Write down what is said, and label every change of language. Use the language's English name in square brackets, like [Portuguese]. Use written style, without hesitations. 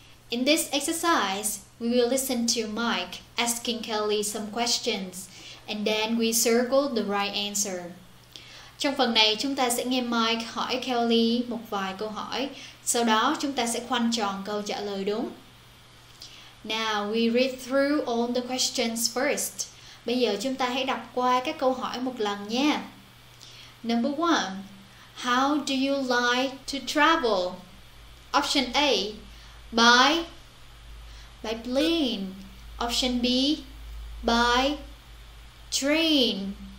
[English] In this exercise, we will listen to Mike asking Kelly some questions, and then we circle the right answer. [Vietnamese] Trong phần này, chúng ta sẽ nghe Mike hỏi Kelly một vài câu hỏi, sau đó chúng ta sẽ khoanh tròn câu trả lời đúng. [English] Now, we read through all the questions first. [Vietnamese] Bây giờ chúng ta hãy đọc qua các câu hỏi một lần nha. [English] Number 1. How do you like to travel? Option A. By plane. Option B. By train.